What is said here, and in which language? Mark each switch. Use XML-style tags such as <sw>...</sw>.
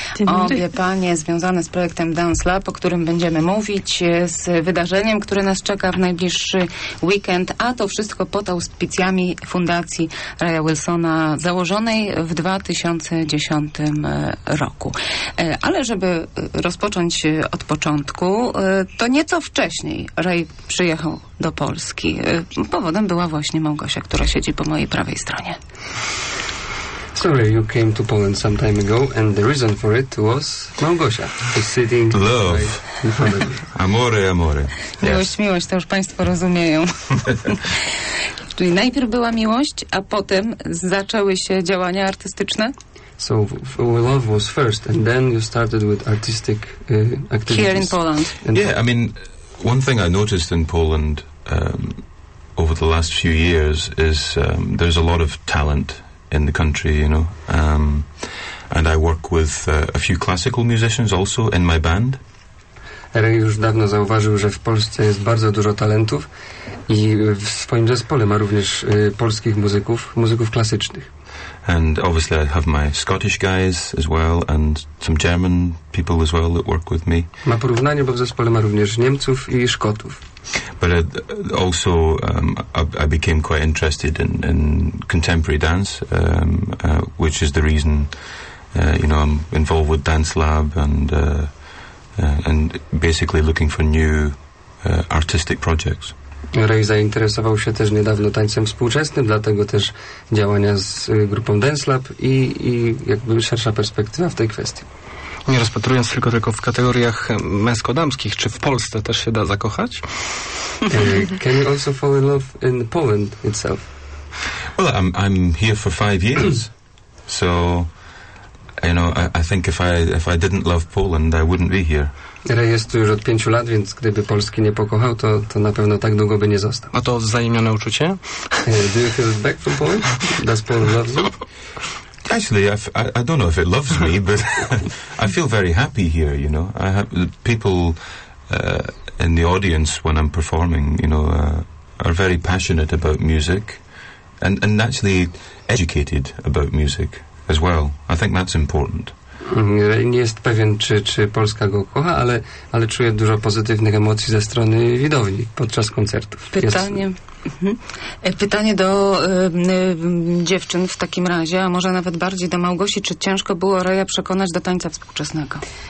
<pl>Obie panie związane z projektem Dance Lab, o którym będziemy mówić, z wydarzeniem, które nas czeka w najbliższy weekend, a to wszystko pod auspicjami Fundacji Raya Wilsona, założonej w 2010 roku. Ale żeby rozpocząć od początku, to nieco wcześniej Ray przyjechał do Polski. Powodem była właśnie Małgosia, która siedzi po mojej prawej stronie.</pl> <en>Sorry, you came to Poland some time ago and the reason for it was Małgosia. Who's sitting love. Right in front of me.</en> <it>Amore, amore.</it> <pl>Miłość, yes. Miłość, to już Państwo rozumieją. Czyli najpierw była miłość, a potem zaczęły się działania artystyczne?</pl> <en>So love was first and then you started with artistic activities. Here in Poland. Yeah, I mean, one thing I noticed in Poland over the last few years is there's a lot of talent in the country, you know. And I work with a few classical musicians also in my band.</en> <pl>Ray już dawno zauważył, że w Polsce jest bardzo dużo talentów i w swoim zespole ma również polskich muzyków, muzyków klasycznych.</pl> <en>And obviously I have my Scottish guys as well and some German people as well that work with me.</en> <pl>Ma porównanie, bo w zespole ma również Niemców i Szkotów.</pl> <en>But also I became quite interested in contemporary dance, which is the reason, you know, I'm involved with Dance Lab and basically looking for new artistic projects.</en> <pl>Ray zainteresował się też niedawno tańcem współczesnym, dlatego też działania z grupą Dance Lab i jakby szersza perspektywa w tej kwestii. Nie rozpatrując tylko w kategoriach męsko-damskich, czy w Polsce też się da zakochać?</pl> <en>Can you also fall in love in Poland itself? Well, I'm here for 5 years, so you know, I think if I didn't love Poland, I wouldn't be here.</en> <pl>Ray jest tu już od 5 lat, więc gdyby Polski nie pokochał, to na pewno tak długo by nie został. A to wzajemne uczucie?</pl> <en>Do you feel it back from Poland? Does Poland love you? Actually, I don't know if it loves me, but I feel very happy here, you know. I have people in the audience when I'm performing, you know, are very passionate about music and actually educated about music as well. I think that's important.</en> <pl>Ray nie jest pewien, czy Polska go kocha, ale czuje dużo pozytywnych emocji ze strony widowni podczas koncertów. Pytanie do dziewczyn w takim razie, a może nawet bardziej do Małgosi. Czy ciężko było Raya przekonać do tańca współczesnego?</pl>